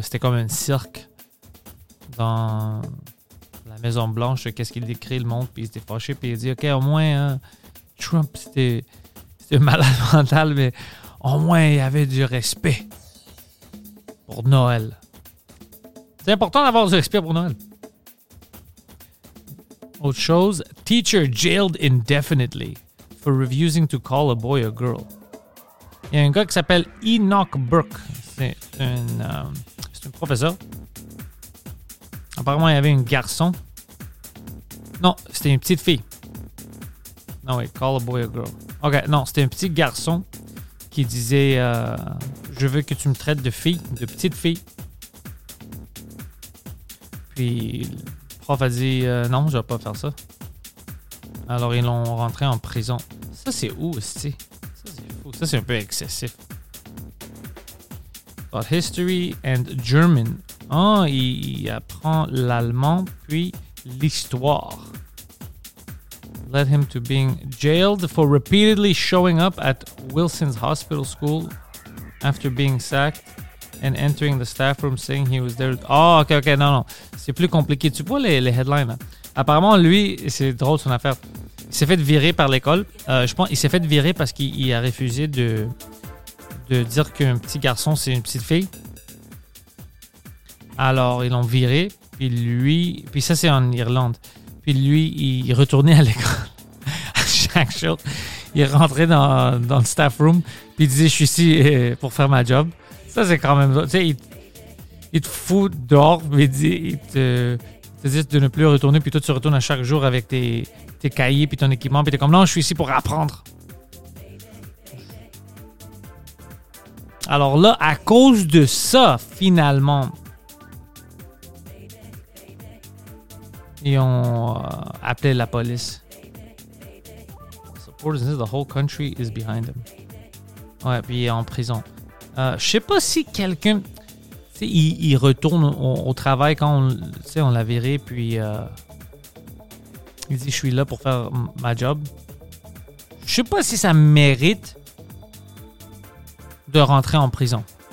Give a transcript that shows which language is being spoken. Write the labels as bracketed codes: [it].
[fr] C'était comme un cirque dans la Maison Blanche. Qu'est-ce qu'il décrit le monde? Puis il s'était fâché. Puis il dit, OK, au moins, hein, Trump, c'était malade mental, mais au moins, il y avait du respect pour Noël. C'est important d'avoir du respect pour Noël. [en] Autre chose, teacher jailed indefinitely for refusing to call a boy a girl. [fr] Il y a un gars qui s'appelle Enoch Burke. C'est un professeur. Apparemment, il y avait un garçon. Non, c'était une petite fille. Non, oui, [en] call a boy a girl. [fr] OK, non, c'était un petit garçon qui disait « Je veux que tu me traites de fille, de petite fille. » Puis... Le prof a dit « Non, je vais pas faire ça. » Alors, ils l'ont rentré en prison. Ça, c'est où, aussi? Ça, c'est fou. Ça, c'est un peu excessif. [en] But history and German. [fr] Oh, il apprend l'allemand, puis l'histoire. [en] Led him to being jailed for repeatedly showing up at Wilson's Hospital School after being sacked. And entering the staff room saying he was there. [fr] Oh, OK, non, non. C'est plus compliqué. Tu vois les headlines, là? Apparemment, lui, c'est drôle son affaire. Il s'est fait virer par l'école. Je pense qu'il s'est fait virer parce qu'il a refusé de dire qu'un petit garçon, c'est une petite fille. Alors, ils l'ont viré. Puis lui, puis ça, c'est en Irlande. Puis lui, il retournait à l'école. À chaque chose, il rentrait dans le staff room. Puis il disait, je suis ici pour faire ma job. Ça, c'est quand même... Tu sais, il te fout dehors, mais il te dit de ne plus retourner, puis toi, tu retournes à chaque jour avec tes cahiers puis ton équipement, puis t'es comme, non, je suis ici pour apprendre. Alors là, à cause de ça, finalement, ils ont appelé la police. [en] Supposedly, the whole country is behind them. [fr] Ouais, puis il est en prison. Je sais pas si quelqu'un, tu sais, il retourne au travail quand on l'a viré, puis il dit je suis là pour faire ma job. Je sais pas si ça mérite de rentrer en prison.